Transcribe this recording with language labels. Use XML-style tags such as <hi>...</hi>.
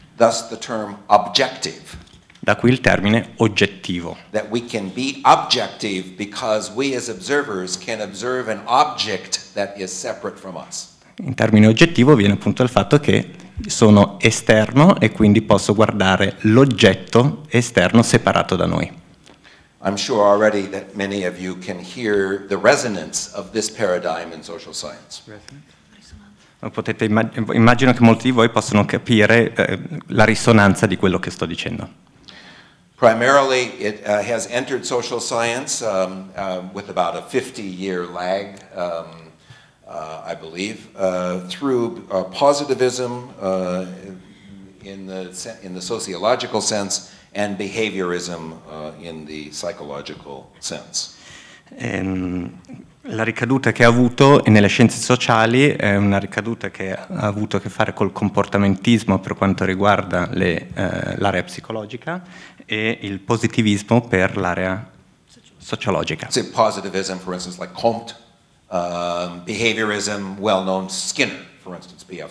<en>Thus the term objective.</en> <it>Da qui il termine oggettivo.</it> <en>That we can be objective because we as observers can observe an object that is separate from us.</en> <it>In termine oggettivo viene appunto il fatto che sono esterno e quindi posso guardare l'oggetto esterno separato da noi.</it> <en>I'm sure already that many of you can hear the resonance of this paradigm in social science.</en> <it>Potete immagino che molti di voi possano capire la risonanza di quello che sto dicendo.</it> <en>Primarily it has entered social science with about a 50-year lag. I believe, through positivism in the sociological sense and behaviorism in the psychological sense.</en> <it>La ricaduta che ha avuto nelle scienze sociali è una ricaduta che ha avuto a che fare col comportamentismo per quanto riguarda l'area psicologica e il positivismo per l'area sociologica.</it> <en>Say positivism, for instance, like Comte. Behaviorism, well-known Skinner, for instance, B.F.</en>